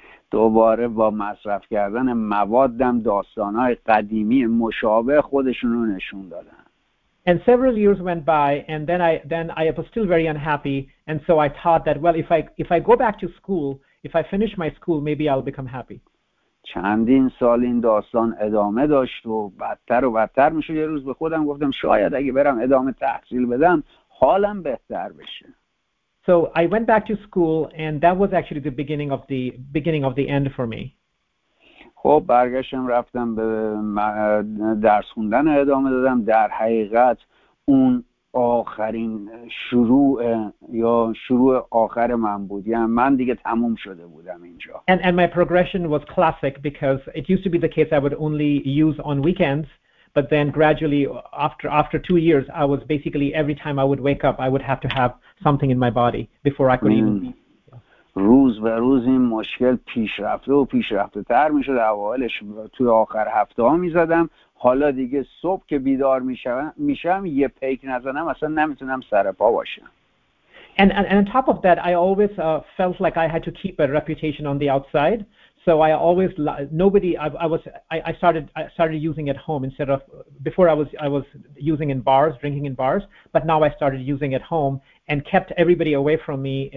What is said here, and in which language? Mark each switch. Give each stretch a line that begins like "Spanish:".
Persian: دوباره با مصرف کردن موادم داستانهای قدیمی مشابه خودشون رو نشون دادن.
English: And several years went by, and then I was still very unhappy, and so I thought that, well, if I go back to school, if I finish my school, maybe I'll become happy.
Persian: چندین سال این داستان ادامه داشت و بدتر و بدتر میشد. یه روز به خودم گفتم شاید اگه برم ادامه تحصیل بدم حالم بهتر بشه.
English: So I went back to school, and that was actually the beginning of the end for me.
Persian: خب برگشتم رفتم به درس خوندن ادامه دادم. در حقیقت اون آخرین شروع یا شروع آخر من بود. یعنی من دیگه تموم شده بودم اینجا.
English: And my progression was classic because it used to be the case I would only use on weekends, but then gradually after 2 years I was basically every time I would wake up I would have to have something in my body before I could even be.
Persian: روز به روز این مشکل پیشرفته و پیشرفته تر می شد. اوائلش توی آخر هفته ها می زدم. حالا دیگه صبح که بیدار می شم یه پیک نزنم اصلا نمی تونم سر پا باشم.
English: And on top of that, I always felt like I had to keep a reputation on the outside. So I always, nobody, I started using at home instead of, before I was using in bars, drinking in bars, but now I started using at home and kept everybody away from me.